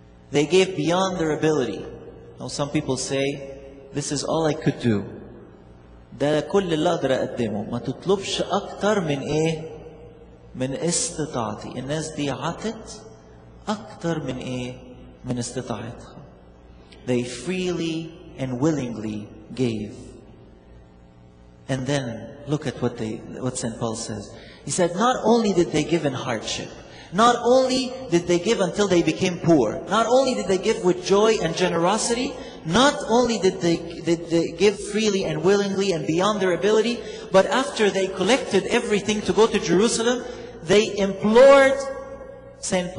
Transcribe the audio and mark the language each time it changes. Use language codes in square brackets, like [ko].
[en] They gave beyond their ability. Now some people say, this is all I could do. [ar] ده كل اللي أقدر أقدمه. ما تطلبش أكتر من إيه؟ من استطاعتي. الناس دي عطت أكتر من إيه؟ من استطاعتها. [en] They freely and willingly gave. And then look at what St. Paul says. He said, not only did they give in hardship, not only did they give until they became poor, not only did they give with joy and generosity, not only did they give freely and willingly and beyond their ability, but after they collected everything to go to Jerusalem, they implored St.